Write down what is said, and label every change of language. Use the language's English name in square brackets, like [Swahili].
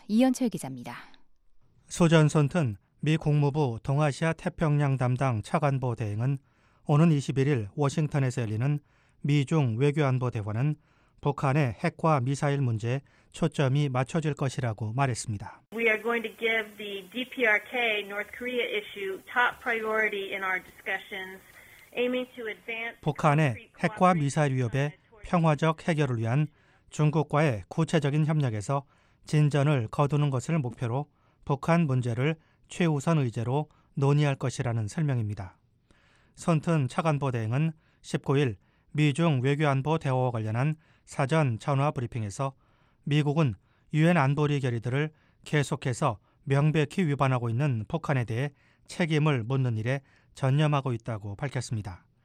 [Korean] 이현철 기자입니다. 소전선튼 미 국무부 동아시아 태평양 담당 차관보 대행은 오는 21일 워싱턴에서 열리는 미중 외교안보 대화는 북한의 핵과 미사일 문제에 초점이 맞춰질 것이라고 말했습니다. [English] We are going to give the DPRK North Korea issue top priority in our discussions, aiming to advance [Korean] 북한의 핵과 미사일 위협의 평화적 해결을 위한 중국과의 구체적인 협력에서 진전을 거두는 것을 목표로 북한 문제를 최우선 의제로 논의할 것이라는 설명입니다. 선튼 차관보 대행은 19일 미중 외교안보 대화와 관련한 사전 전화 브리핑에서 미국은 유엔 안보리 결의들을 계속해서 명백히 위반하고 있는 북한에 대해 책임을 묻는 일에 전념하고 있다고 밝혔습니다.